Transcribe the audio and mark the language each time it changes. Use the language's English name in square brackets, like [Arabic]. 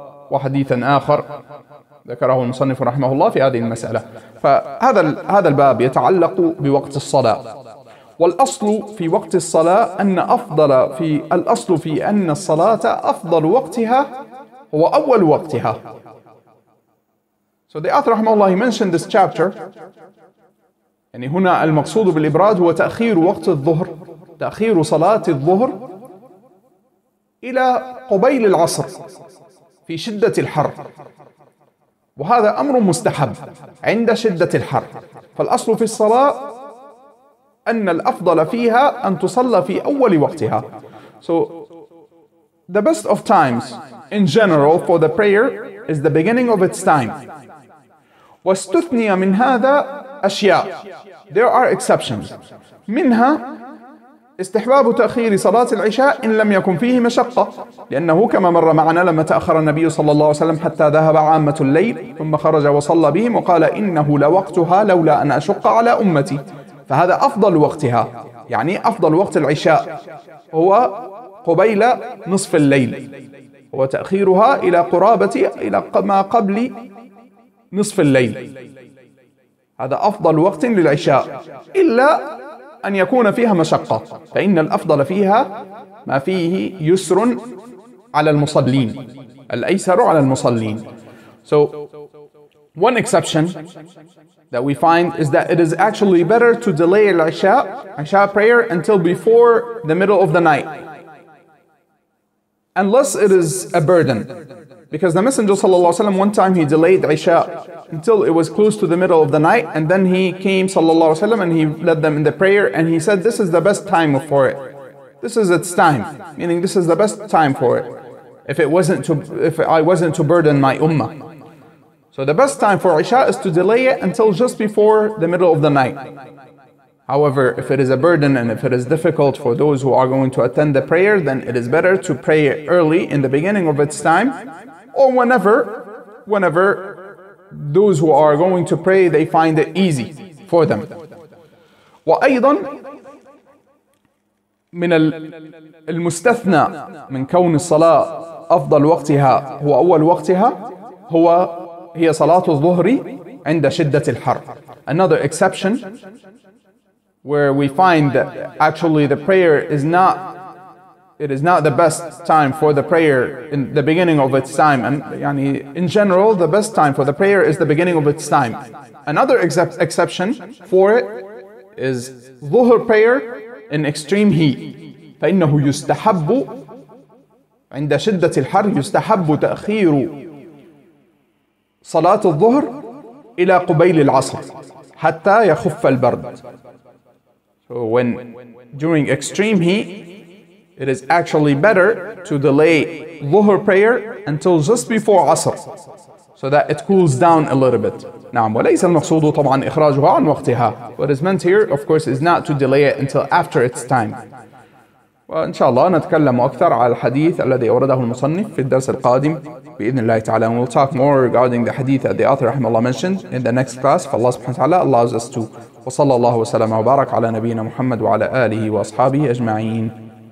[Arabic] وحديثا آخر ذكره المصنف رحمه الله في هذه المسألة. فهذا الباب يتعلق بوقت الصلاة. والأصل في وقت الصلاة أن أفضل في الأصل في أن الصلاة أفضل وقتها هو أول وقتها. [English] So the author رحمه الله, he mentioned this chapter. [Arabic] يعني هنا المقصود بالإبراد هو تأخير وقت الظهر, تأخير صلاة الظهر إلى قبيل العصر في شدة الحر. وهذا أمر مستحب عند شدة الحر. فالأصل في الصلاة أن الأفضل فيها أن تصلى في أول وقتها. [English] So the best of times in general for the prayer is the beginning of its time. [Arabic] واستثني من هذا أشياء. [English] There are exceptions. [Arabic] منها استحباب تأخير صلاة العشاء إن لم يكن فيه مشقة، لأنه كما مر معنا لما تأخر النبي صلى الله عليه وسلم حتى ذهب عامة الليل ثم خرج وصلى بهم وقال إنه لوقتها لولا أن أشق على أمتي، فهذا أفضل وقتها، يعني أفضل وقت العشاء هو قبيل نصف الليل، هو تأخيرها إلى قرابة إلى ما قبل نصف الليل، هذا أفضل وقت للعشاء، إلا أن يكون فيها مشقة، فإن الأفضل فيها ما فيه يسر على المصلين، الأيسر على المصلين. [English] So, one exception that we find is that it is actually better to delay al-Isha, Isha prayer, until before the middle of the night. Unless it is a burden. Because the Messenger صلى الله عليه وسلم, one time he delayed Isha until it was close to the middle of the night, and then he came صلى الله عليه وسلم and he led them in the prayer, and he said, this is the best time for it. This is its time. Meaning this is the best time for it. If I wasn't to burden my ummah. So the best time for Isha is to delay it until just before the middle of the night. However, if it is a burden and if it is difficult for those who are going to attend the prayer, then it is better to pray early in the beginning of its time, or whenever those who are going to pray, they find it easy for them. [Arabic] وأيضا من المستثنى من كون الصلاة أفضل وقتها هو أول وقتها هي صلاة الظهر عند شدة الحر. [English] Another exception where we find that actually the prayer is not, it is not the best time for the prayer in the beginning of its time. And يعني in general, the best time for the prayer is the beginning of its time. Another exception for it is ظهر prayer in extreme heat. [Arabic] فإنه يستحب عند شدة الحر يستحب تأخير صلاة الظهر إلى قبيل العصر حتى يخف البرد. [English] So when during extreme heat, it is actually better to delay Dhuhr prayer until just before Asr, so that it cools down a little bit. [Arabic] نعم وليس المقصود طبعا إخراجها عن وقتها. [English] What is meant here, of course, is not to delay it until after its time. [Arabic] وإن شاء الله نتكلم أكثر على الحديث الذي أورده المصنف في الدرس القادم بإذن الله تعالى. [English] And we'll talk more regarding the hadith that the author رحمه الله mentioned in the next class. [Arabic] فالله سبحانه وتعالى [English] allows us to. [Arabic] وصلى الله وسلم وبارك على نبينا محمد وعلى آله وأصحابه أجمعين.